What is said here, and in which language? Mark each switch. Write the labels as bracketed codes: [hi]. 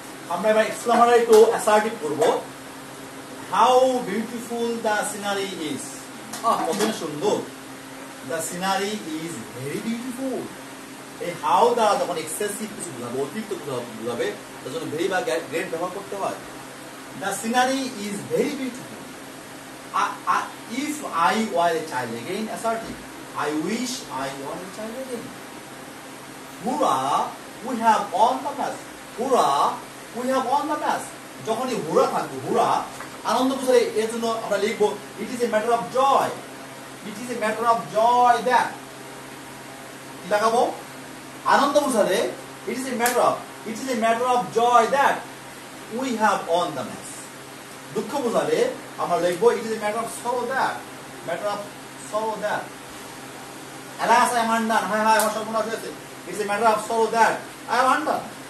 [bn] আমরা এবার [en] exclamatory to assertive [bn] করব [en] how beautiful the scenery is [bn] কতটা সুন্দর [en] the scenery is very beautiful [bn] এই হাউ দ্বারা তখন [en] excessive [bn] কিছু বোঝাবে অতিরিক্ত বোঝাবে তার জন্য [en] very বা great [bn] ব্যবহার করতে হয় [en] The scenery is very beautiful if I were a child again, assertive. I wish I were a child again. Hurrah, we have won the match. Hurrah, we have won the match. [bn] যখনই হুরা থাকবে হুরা আনন্দ বুঝলে এর জন্য আমরা লিখবো [en] it is a matter of joy, it is a matter of joy that, [bn] কি লাগাবো আনন্দ বুঝলে [en] it is a matter of, it is a matter of joy that we have won the match, [bn] দুঃখ বুঝলে আমরা লিখবো [en] it is a matter of sorrow that, matter of sorrow that, alas I am undone, [bn] হ্যাঁ হ্যাঁ আমার সম্পূর্ণ হয়েছে, [en] It is a matter of sorrow that I am undone.